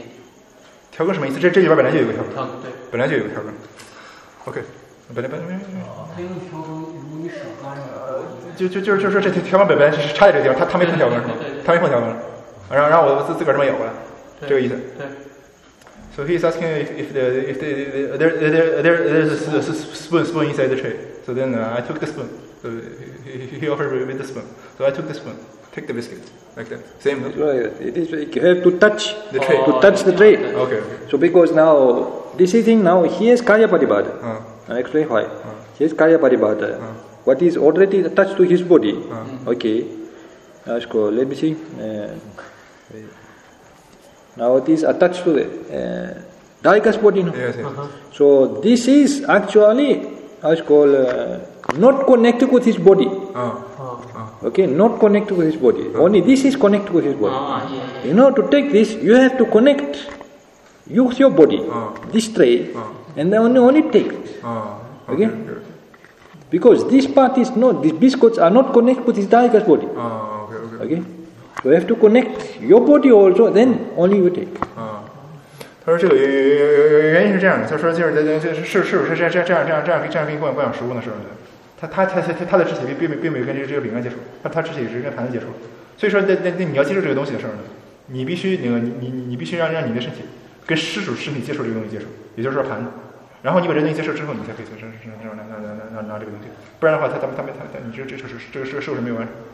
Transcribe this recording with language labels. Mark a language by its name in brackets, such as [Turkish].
[Chinese] 调。调羹什么意思？这里边本来就有个调羹。调羹对，本来就有个调羹。OK， 本来。他用调羹，如果你手干了，就是说这调羹本来就是差在这地方，他没碰调羹是吗？他没碰调羹，让我自个儿这么咬过来，这个意思。对。 [English] So he's asking if there's a spoon inside the tray. So then I took the spoon. So he offered me with the spoon. So I took the spoon, take the biscuit, like that. Same. That's right. You have to touch the tray. To touch the tray. Okay. So because now, this thing now, he has Kaya Paribhata. I explain why. He has Kaya Paribhata. What is already attached to his body. Okay. Let me see. Now it is attached to the Daika's body. Yes, yes. So this is actually, I call, not connected with his body. Not connected with his body. Only this is connected with his body. In order to take this, you have to connect you with your body, this tray, and then only take this. Okay? Sure. Because this part is not, these biscuits are not connected with his Daika's body. Okay. You have to connect your body also, then only you take. [Chinese] 他说这个原因是这样的，他说就是这样给你灌食物呢，是不是？他的肢体并没有跟这个饼干接触，他肢体是跟盘子接触，所以说那你要接受这个东西的事儿呢，你必须那个你必须让你的身体跟施主身体接触这个东西接触，也就是说盘子，然后你把这东西接受之后，你才可以拿这个东西，不然的话他你这个受是没有完成。